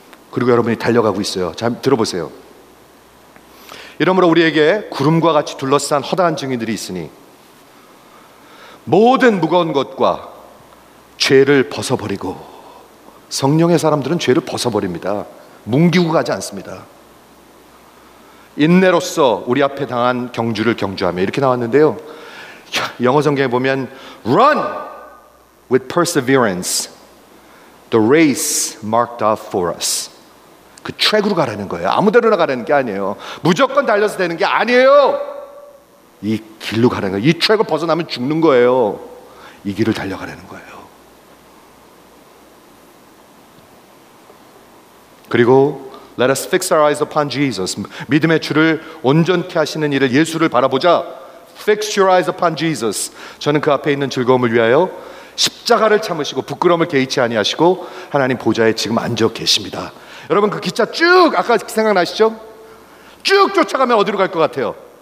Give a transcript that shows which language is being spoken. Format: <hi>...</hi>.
<ko>그리고 여러분이 달려가고 있어요. 잘 들어보세요. 이러므로 우리에게 구름과 같이 둘러싼 허다한 증인들이 있으니 모든 무거운 것과 죄를 벗어버리고. 성령의 사람들은 죄를 벗어버립니다. 뭉기고 가지 않습니다. 인내로서 우리 앞에 당한 경주를 경주하며 이렇게 나왔는데요. 영어 성경에 보면</ko> <en>Run with perseverance the race marked off for us.</en> <ko>그 트랙으로 가라는 거예요. 아무데로나 가라는 게 아니에요. 무조건 달려서 되는 게 아니에요. 이 길로 가라는 거예요. 이 트랙을 벗어나면 죽는 거예요. 이 길을 달려가라는 거예요. 그리고</ko> <en>Let us fix our eyes upon Jesus.</en> <ko>믿음의 주를 온전케 하시는 일을 예수를 바라보자.</ko> <en>Fix your eyes upon Jesus.</en> <ko>저는 그 앞에 있는 즐거움을 위하여 십자가를 참으시고 부끄러움을 개의치 아니하시고 하나님 보좌에 지금 앉아 계십니다. 여러분 그 기차 쭉 아까 생각나시죠? 쭉 쫓아가면 어디로 갈 것 같아요?</ko>